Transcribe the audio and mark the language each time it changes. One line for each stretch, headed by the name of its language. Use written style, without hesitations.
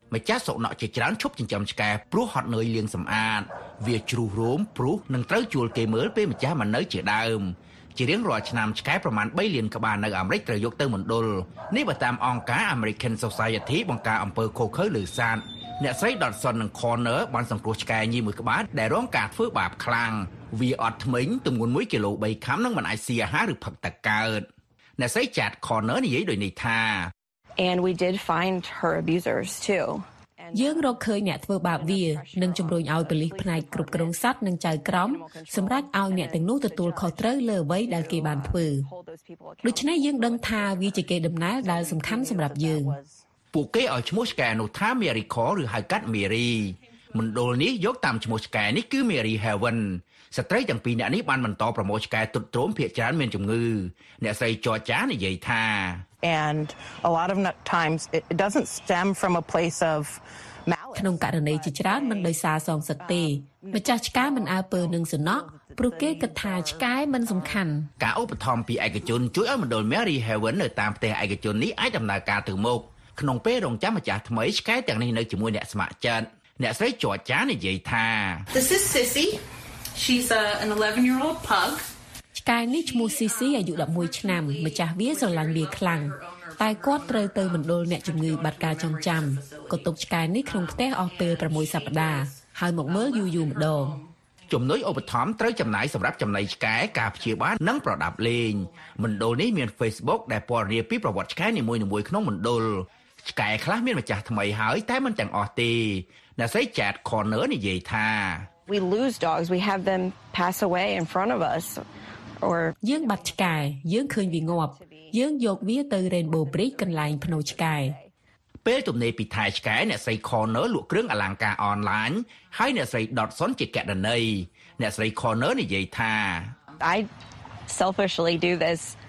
Khmer: ម្ចាស់សុណក់ជាច្រើនឈប់ចិញ្ចឹមឆ្កែព្រោះហត់នឿយលាងសម្អាតវាជ្រុះរោមព្រោះនឹងត្រូវជួលគេមើលពេលម្ចាស់មិននៅជាដើមជារៀងរាល់ឆ្នាំឆ្កែប្រមាណ3លានក្បាលនៅអាមេរិកត្រូវយកទៅមណ្ឌលនេះបើតាមអង្គការ American Society បង្ការអំពើឃោរឃៅលើសត្វអ្នកស្រី Dotson និង Corner បានសង្គ្រោះឆ្កែញីមួយក្បាលដែលរងការធ្វើបាបខ្លាំងវាអត់ធ្មេញទម្ងន់1គីឡូ3ខាំនឹងមិនអាចស៊ីអាហារឬផឹកទឹកកើតអ្នកស្រី Chat Corner និយាយដូចនេះថា
English: And we did find her abusers too.
Khmer: យើងរកឃើញអ្នកធ្វើបាបវានិងជំរុញឲ្យប៉ូលីសផ្នែកគ្រប់គ្រងសត្វនិងចៅក្រមសម្រាប់ឲ្យអ្នកទាំងនោះទទួលខុសត្រូវលើអ្វីដែលគេបានធ្វើ។ដូច្នេះយើងដឹងថាវាជាគេដំណើរដែលសំខាន់សម្រាប់យើង ។ពួកគេឲ្យឈ្មោះឆ្កែនោះថា Mary Cole ឬហៅកាត់ Mary មណ្ឌលនេះយកតាមឈ្មោះឆ្កែនេះគឺ Mary Heaven ស្ត្រីទាំងពីរអ្នកនេះបានបន្តប្រមូលឆ្កែទ្រុឌទ្រោមភាគច្រើនមានជំងឺអ្នកស្រីចរចានិយាយថា
English: And a lot of times it doesn't stem from a place of malice.
Khmer: ក្នុងករណីជាច្រើនមិនដោយសារសងសឹកទេម្ចាស់ឆ្កែមិនអើពើនឹងសំណក់ព្រោះគេគិតថាឆ្កែមិនសំខាន់ការឧបត្ថម្ភពីឯកជនជួយឲ្យមណ្ឌល Mary Heaven នៅតាមផ្ទះឯកជននេះអាចដំណើរការទៅមុខក្នុងពេលរងចាំម្ចាស់ថ្មីឆ្កែទាំងនេះនៅជាមួយអ្នកស្ម័គ្រចិត្តអ្នកស្រីជួចចានិយាយថា
English: This is Sissy. She's an 11-year-old pug.
Khmer: កាយនេះឈ្មោះ CC អាយុ11ឆ្នាំម្ចាស់វាស្រឡាញ់វាខ្លាំងតែគាត់ត្រូវទៅមណ្ឌលអ្នកជំងឺបាត់ការចងចាំក៏ទុកឆ្កែនេះក្នុងផ្ទះអស់ពេល6សប្តាហ៍ហើយមកមើលយូរយូរម្ដង ជំនួយឧបត្ថម្ភត្រូវចំណាយសម្រាប់ចំណីឆ្កែការព្យាបាលនិងប្រដាប់លេងមណ្ឌលនេះមាន Facebook ដែលពណ៌នាពីប្រវត្តិឆ្កែនីមួយៗក្នុងមណ្ឌលឆ្កែខ្លះមានម្ចាស់ថ្មីហើយតែមិនទាំងអស់ទេអ្នកស្រី Chat Corner និយាយថា
English: We lose dogs we have them pass away in front of us
Khmer: យើងបាត់ឆ្កែយើងឃើញវាងាប់យើងយកវាទៅ Rainbow Bridge កន្លែងភ្នោឆ្កែ ពេលទំនេរពីថៃឆ្កែអ្នកស្រី Corner លក់គ្រឿងអលង្ការអនឡាញហើយអ្នកស្រី Dotson ជាកណ្ដានីអ្នកស្រី Corner និយាយថា
English: I selfishly do this